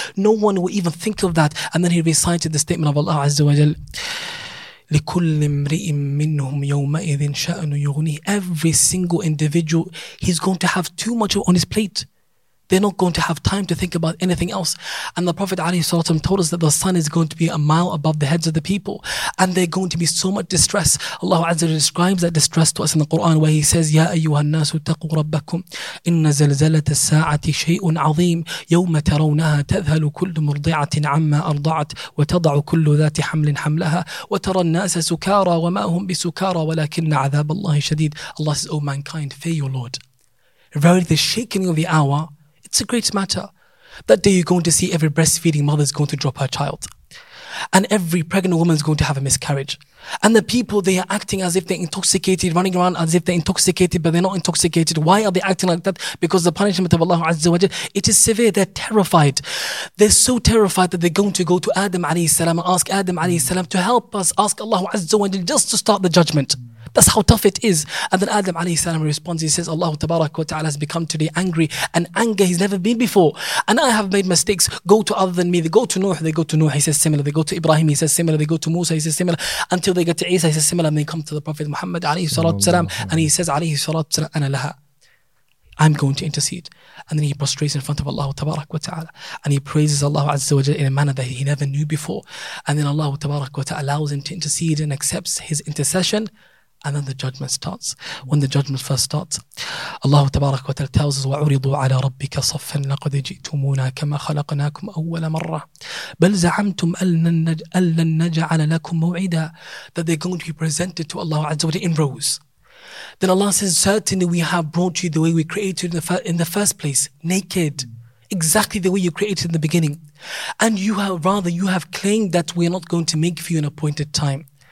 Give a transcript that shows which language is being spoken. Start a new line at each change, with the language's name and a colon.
English: No one will even think of that. And then he recited the statement of Allah Azza wa Jal,
Arabic: لِكُلِّ امْرِئٍ مِّنْهُمْ يَوْمَئِذٍ شَأْنُ يُغْنِهِ.
English: Every single individual, he's going to have too much on his plate. They're not going to have time to think about anything else. And the Prophet ﷺ told us that the sun is going to be a mile above the heads of the people. And they're going to be so much distress. Allah Azza describes that distress to us in the Quran where he says,
Arabic: يَا أَيُّهَا النَّاسُ اتَّقُوا رَبَّكُمْ إِنَّ زَلْزَلَةَ السَّاعَةِ شَيْءٌ عَظِيمٌ يَوْمَ تَرَوْنَهَا تَذْهَلُ كُلُّ مُرْضِعَةٍ عَمَّا أَرْضَعَتْ وَتَضَعُ كُلُّ ذَاتِ حَمْلٍ حَمْلَهَا وَتَرَى النَّاسَ سُكَارَى وَمَا هُمْ بِسُكَارَى وَلَكِنَّ عَذَابَ اللَّهِ شَدِيدٌ.
English: Allah says, oh mankind, fear your Lord. Verily the shaking of the hour, it's a great matter. That day you're going to see every breastfeeding mother is going to drop her child. And every pregnant woman is going to have a miscarriage. And the people, they are acting as if they're intoxicated, running around as if they're intoxicated, but they're not intoxicated. Why are they acting like that? Because the punishment of Allah Azza wa Jal, it is severe. They're terrified. They're so terrified that they're going to go to Adam alayhi salam and ask Adam alayhi salam to help us, ask Allah Azza wa Jal just to start the judgment. That's how tough it is. And then Adam alayhi salam responds, he says, Allah tabarak wa ta'ala has become today angry, and anger he's never been before. And I have made mistakes. Go to other than me. They go to Nuh, they go to Nuh, he says similar. They go to Ibrahim, he says similar. They go to Musa, he says similar. Until they get to Isa, he says similar. And they come to the Prophet Muhammad alayhi salatu salam, and he says alayhi salatu salam,
Arabic: ana laha,
English: I'm going to intercede. And then he prostrates in front of Allah tabarak wa ta'ala, and he praises Allah Azza wa Jalla in a manner that he never knew before. And then Allah tabarak wa ta'ala allows him to intercede and accepts his intercession. And then the judgment starts. When the judgment first starts, Allah Tabarak wa Ta'ala tells us,
Arabic: وَعُرِضُوا عَلَى رَبِّكَ صَفًّا لَقَدْ جِئْتُمُونَا كَمَا خَلَقْنَاكُمْ أَوَّلَ مَرَّةٍ بَلْ زَعَمْتُمْ أَلَّن نَجْعَلَ لَكُمْ مَوْعِدًا.
English: That they're going to be presented to Allah Azza wa Jalla in rows. Then Allah says, certainly we have brought you the way we created you in the first place, naked, exactly the way you created in the beginning. And you have claimed that we are not going to make for you an appointed time.